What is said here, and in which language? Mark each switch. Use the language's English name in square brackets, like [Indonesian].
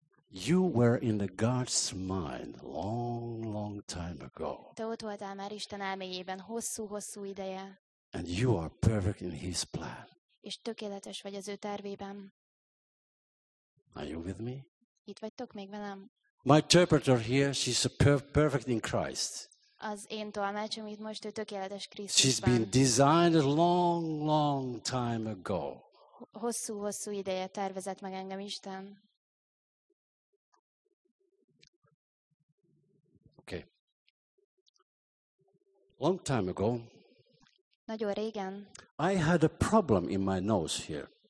[English] You were in the God's mind long, long time ago. [Hungarian] Te ott voltál már Isten elméjében hosszú-hosszú ideje. [English] And you are perfect in his plan. [Hungarian] És tökéletes vagy az ő tervében. [English] Are you with me? [Hungarian] Itt vagytok még velem? [English] My interpreter here, she's perfect in Christ. [Hungarian] Az én tolmácsom itt most, ő tökéletes Krisztusban. [English] She's been designed a long, long time ago. [Hungarian] Hosszú-hosszú ideje tervezett meg engem Isten. [English] Okay. Long time ago. [Hungarian] Nagyon régen. [English] I had a problem in my nose here.